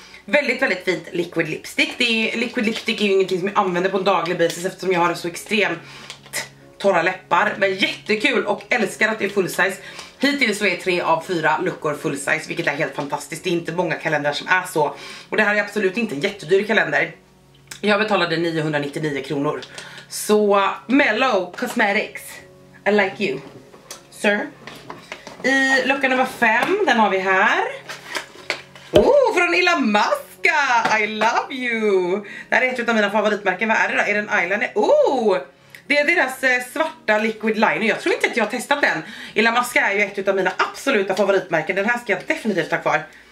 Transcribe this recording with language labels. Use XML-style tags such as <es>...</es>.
<sv>Väldigt, väldigt fint liquid lipstick. Liquid lipstick är ju ingenting som jag använder på en daglig basis. Eftersom jag har så extremt torra läppar. Men jättekul och älskar att det är full size. Hittills så är 3 av 4 luckor full size, vilket är helt fantastiskt. Det är inte många kalendrar som är så. Och det här är absolut inte en jättedyr kalender. Jag betalade 999 kronor.</sv> <en>Så Mellow Cosmetics, I like you, sir.</en> <sv>I lucka nummer 5, den har vi här.</sv> <en>Oh, från Illa Maska, I love you.</en> <sv>Det här är ett av mina favoritmärken, vad är det då? Är det en eyeliner? Oh! Det är deras svarta liquid liner, jag tror inte att jag har testat den. Illa Maska är ju ett av mina absoluta favoritmärken, den här ska jag definitivt ta kvar.</sv>